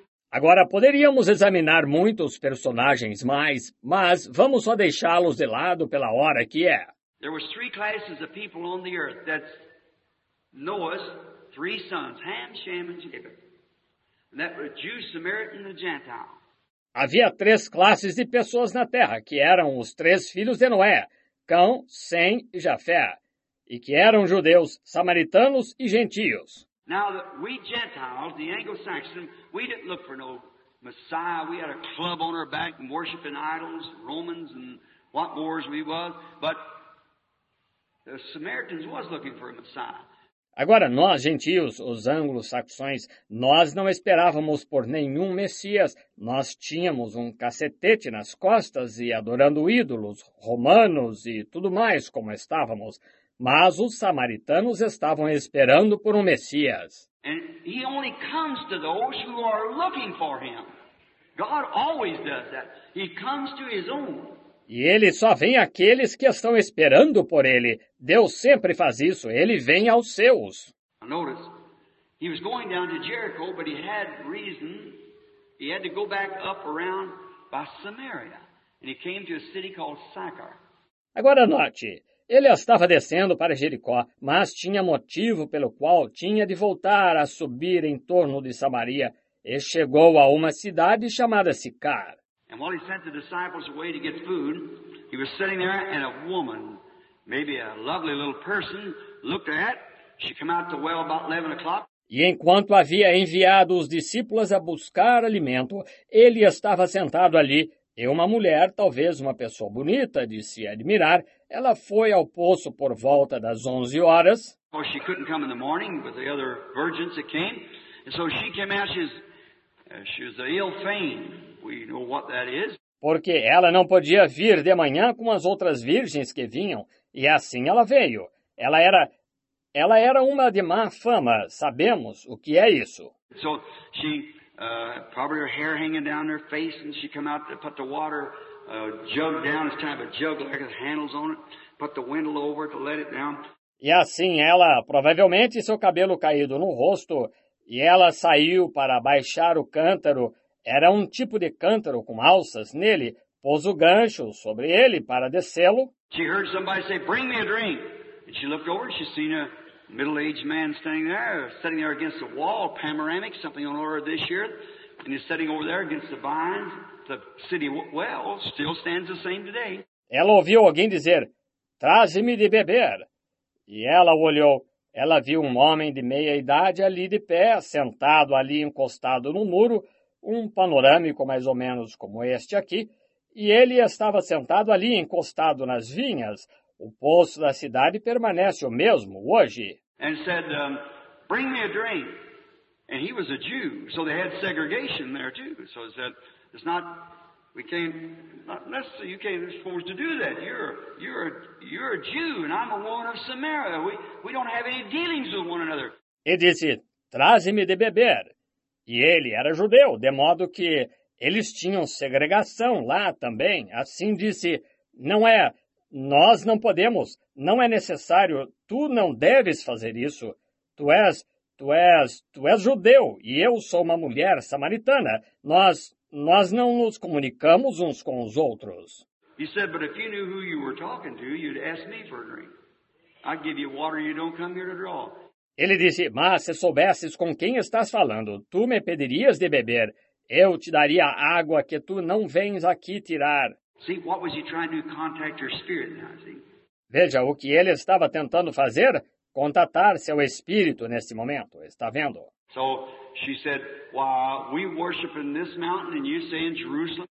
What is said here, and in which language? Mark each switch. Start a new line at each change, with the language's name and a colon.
Portuguese: Agora, poderíamos examinar muitos personagens mais, mas vamos só deixá-los de lado pela hora que é.
English: There were three classes of people on the earth. That's Noah's three sons, Ham, Shem, and Japheth. And that were Jew, Samaritan, and Gentile.
Portuguese: Havia três classes de pessoas na Terra, que eram os três filhos de Noé, Cão, Sem e Jafé, e que eram judeus, samaritanos e gentios.
English: Now, we Gentiles, the Anglo-Saxon, we didn't look for no Messiah. We had a club on our back and worshiping idols, Romans, and what wars we was. But the Samaritans was looking for a Messiah.
Portuguese: Agora, nós, gentios, os anglo-saxões, nós não esperávamos por nenhum Messias. Nós tínhamos um cacetete nas costas e adorando ídolos romanos e tudo mais como estávamos. Mas os samaritanos estavam esperando por um Messias.
English: And he only comes to those who are looking for him. God always does that. He comes to his own.
Portuguese: E ele só vem àqueles que estão esperando por ele. Deus sempre faz isso. Ele vem aos seus.
English: Notice, he was going down to Jericho, but he had reason. He had to go back up around by Samaria. And he came to a city called Sychar.
Portuguese: Agora note, ele estava descendo para Jericó, mas tinha motivo pelo qual tinha de voltar a subir em torno de Samaria. E chegou a uma cidade chamada Sicar.
English: And while he sent the disciples away to get food, he was sitting there and a woman, maybe a lovely little person, looked at. She came out the well about 11 o'clock.
Portuguese: E enquanto havia enviado os discípulos a buscar alimento, ele estava sentado ali, e uma mulher, talvez uma pessoa bonita de se admirar, ela foi ao poço por volta das 11 horas.
English: Well, she couldn't come in the morning with the other virgins that came. And so she came out, she was an ill fame. We know what that is.
Portuguese: Porque ela não podia vir de manhã com as outras virgens que vinham, e assim ela veio. Ela era uma de má fama, sabemos o que é isso.
English: So she probably her hair hanging down her face, and she come out to put the water jug down, it's kind of a jug like it handles on it, put the windle over to let it down.
Portuguese: E assim ela, provavelmente seu cabelo caído no rosto, e ela saiu para baixar o cântaro. Era um tipo de cântaro com alças nele, pôs o gancho sobre ele para descê-lo.
English: She heard somebody say, bring me a drink. And she looked over and she seen a middle-aged man sitting there against the wall, panoramic, something on order this year. And he's sitting over there against the vines. The city well still stands the same today.
Portuguese: Ela ouviu alguém dizer, traze-me de beber. E ela olhou. Ela viu um homem de meia-idade ali de pé, sentado ali encostado no muro, um panorâmico mais ou menos como este aqui, e ele estava sentado ali encostado nas vinhas. O poço da cidade permanece o mesmo hoje.
English: And said, bring me a drink. And he was a Jew, so they had segregation there too. So he said, it's not, we can't, not necessarily, you can't afford to do that. You're a Jew, and I'm a woman of Samaria. We don't have any dealings with one another.
Portuguese: E disse, traze-me de beber. E ele era judeu, de modo que eles tinham segregação lá também. Assim disse, não é, nós não podemos, não é necessário, tu não deves fazer isso. Tu és judeu e eu sou uma mulher samaritana. Nós, nós não nos comunicamos uns com os outros.
English: He said, but if you knew who you were talking to, you'd ask me for a drink. I'd give you water you don't come here to draw.
Portuguese: Ele disse, mas se soubesses com quem estás falando, tu me pedirias de beber. Eu te daria água que tu não vens aqui tirar.
English: See, what was he trying to contact your spirit now, see?
Portuguese: Veja o que ele estava tentando fazer, contatar seu espírito neste momento. Está vendo?
English: So, she said, well, we worship in this mountain and you say in Jerusalem.